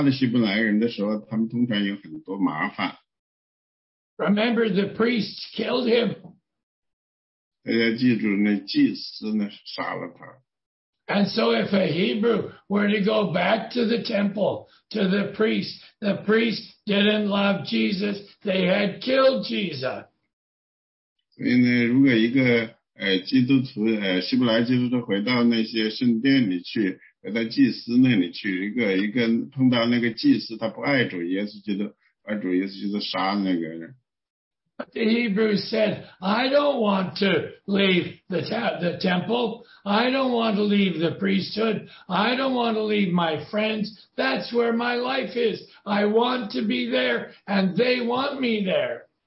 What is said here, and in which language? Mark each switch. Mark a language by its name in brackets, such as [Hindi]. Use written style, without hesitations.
[Chinese] 所以呢，基督，希伯来基督徒呢，当他碰到那呢，其他的希伯来人的时候，他们通常有很多麻烦。 [English] Remember, the priests killed him. [Chinese] 大家记住呢，祭司呢，杀了他。 [English] And so if a Hebrew were to go back to the temple, to the priest didn't love Jesus, they had killed Jesus. [Chinese] 所以呢，如果一个基督徒，希伯来基督徒回到那些圣殿里去，回到祭司那里去，一个碰到那个祭司，他不爱主耶稣基督，把主耶稣基督杀了那个人。 [English] But the Hebrew said, "I don't want to leave the temple. I don't want to leave the priesthood. I don't want to leave my friends. That's where my life is. I want to be there, and they want me there."